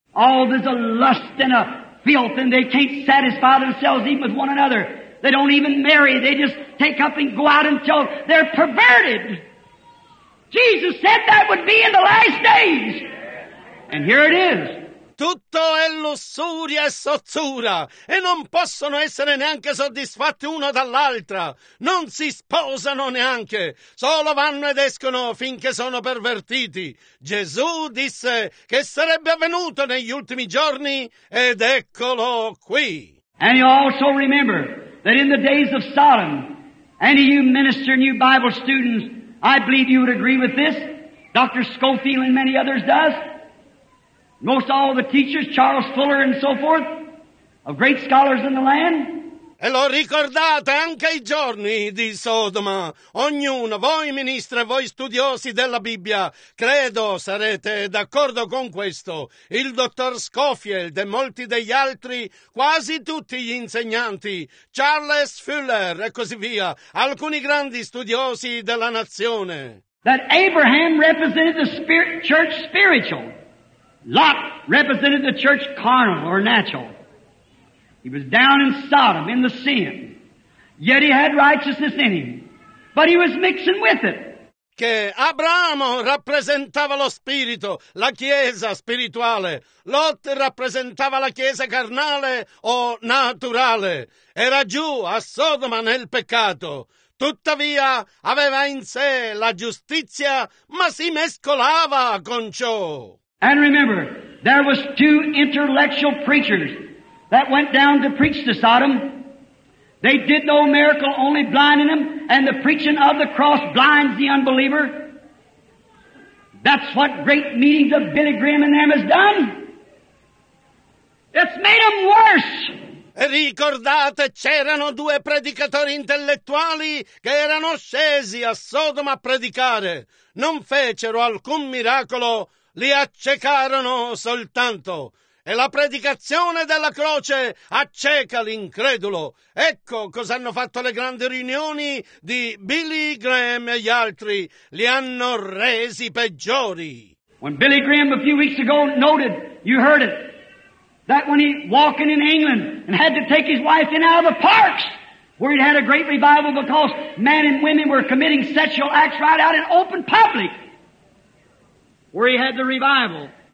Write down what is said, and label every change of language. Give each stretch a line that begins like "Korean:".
English: Oh, there's a lust and a filth, and they can't satisfy themselves even with one another. They don't even marry, they just take up and go out until they're perverted. Jesus said that would be in the last days. And here it is.
Italian: Tutto è lussuria e sozzura, e non possono essere neanche soddisfatti uno dall'altra. Non si sposano neanche, solo vanno ed escono finché sono pervertiti. Gesù disse che sarebbe avvenuto negli ultimi giorni, ed eccolo qui.
English: And you also remember that in the days of Sodom, any of you minister and you Bible students, I believe you would agree with this, Dr. Scofield and many others does. Most all the teachers, Charles Fuller and so forth, of great scholars in the land.
Italian: E lo ricordate anche i giorni di Sodoma. Ognuno, voi ministri e voi studiosi della Bibbia, credo sarete d'accordo con questo. Il dottor Scofield e molti degli altri, quasi tutti gli insegnanti, Charles Fuller e così via, alcuni grandi studiosi della nazione.
English: That Abraham represented the spirit, church spiritual. Lot represented the church carnal or natural. He was down in Sodom, in the sin. Yet he had righteousness in him. But he was mixing with it.
Italian: Che Abramo rappresentava lo spirito, la chiesa spirituale. Lot rappresentava la chiesa carnale o naturale. Era giù a Sodoma nel peccato. Tuttavia aveva in sé la giustizia, ma si mescolava con ciò.
English: And remember, there was two intellectual preachers that went down to preach to Sodom. They did no miracle, only blinding them, and the preaching of the cross blinds the unbeliever. That's what great meetings of Billy Graham and them has done. It's made them worse.
Italian: Ricordate, c'erano due predicatori intellettuali che erano scesi a Sodoma a predicare. Non fecero alcun miracolo, li accecarono soltanto. E la predicazione della croce acceca l'incredulo. Ecco cosa hanno fatto le grandi riunioni di Billy Graham e gli altri. Li hanno resi peggiori.
English: When Billy Graham a few weeks ago noted, you heard it, that when he walking in England and had to take his wife in out of the parks where he'd had a great revival because men and women were committing sexual acts right out in open public where he had the revival.